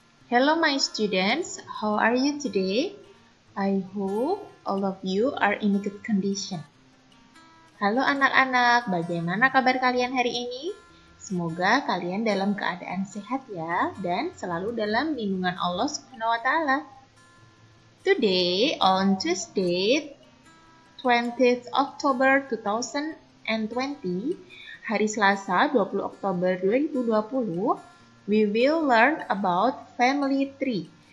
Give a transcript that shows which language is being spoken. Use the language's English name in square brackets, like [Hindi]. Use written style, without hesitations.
[English] Hello my students, how are you today? I hope all of you are in good condition. [Indonesian] Halo anak-anak, bagaimana kabar kalian hari ini? Semoga kalian dalam keadaan sehat ya dan selalu dalam lindungan Allah Subhanahu wa taala. [English] Today on Tuesday 20th October 2020, [Indonesian] hari Selasa 20 Oktober 2020, [English] we will learn about family tree.